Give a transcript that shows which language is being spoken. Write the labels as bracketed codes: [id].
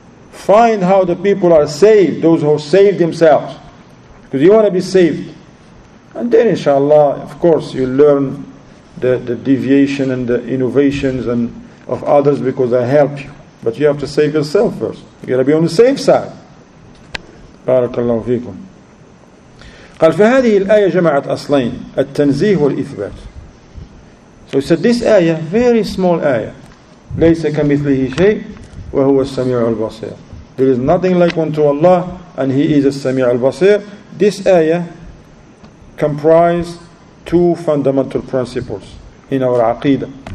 [en] Find how the people are saved, those who saved themselves. Because you want to be saved. And then inshallah, of course, you learn the deviation and the innovations and of others because they help you. But you have to save yourself first. You got to be on the safe side. Barakallahu feekum. [ar] قال في هذه الآية جمعت أصلين التنزيه والإثبات. [en] So he said this ayah, very small ayah, [ar] ليس كمثله شيء وهو السميع البصير. [en] There is nothing like unto Allah and He is [ar] السميع البصير. [en] This ayah comprise two fundamental principles in our aqidah.